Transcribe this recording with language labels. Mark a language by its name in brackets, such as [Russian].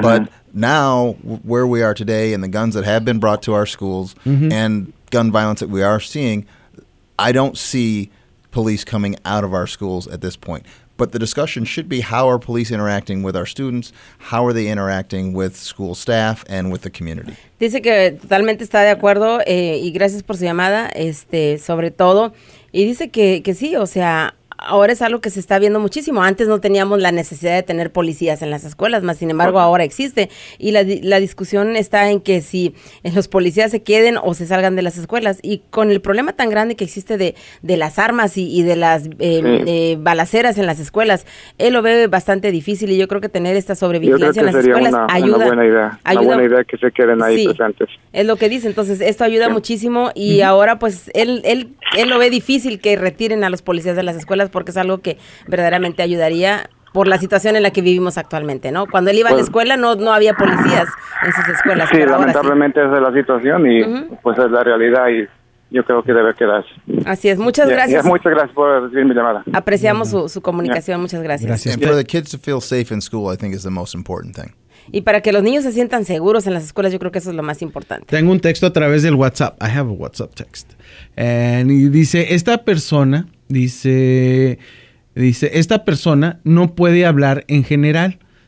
[English] But now, where we are today and the guns that have been brought to our schools and gun violence that we are seeing, I don't see police coming out of our schools at this point. But the discussion should be, how are police interacting with our students? How are they interacting with school staff and with the community? [Spanish] Dice que totalmente está de acuerdo, y gracias por su llamada, sobre todo. Y dice que sí, o sea, ahora es algo que se está viendo muchísimo. Antes no teníamos la necesidad de tener policías en las escuelas, más sin embargo ahora existe. Y la discusión está en que si los policías se queden o se salgan de las escuelas. Y con el problema tan grande que existe de las armas y de las balaceras en las escuelas, él lo ve bastante difícil. Y yo creo que tener esta sobrevigilancia en las escuelas ayuda. Una buena idea que se queden ahí presentes. Es lo que dice. Entonces esto ayuda muchísimo. Y ahora pues él lo ve difícil que retiren a los policías de las escuelas, porque es algo que verdaderamente ayudaría por la situación en la que vivimos actualmente, ¿no? Cuando él iba a la escuela no había policías en sus escuelas. Sí, lamentablemente esa es la situación y pues es la realidad y yo creo que debe quedarse. Así es, muchas gracias. Muchas gracias por recibir mi llamada. Apreciamos su comunicación, muchas gracias. [English] And for the kids to feel safe in school, I think is the most important thing. [Spanish] Y para que los niños se sientan seguros en las escuelas, yo creo que eso es lo más importante. Tengo un texto a través del WhatsApp. [English] I have a WhatsApp text. [Spanish] Y dice, esta persona no puede hablar en general.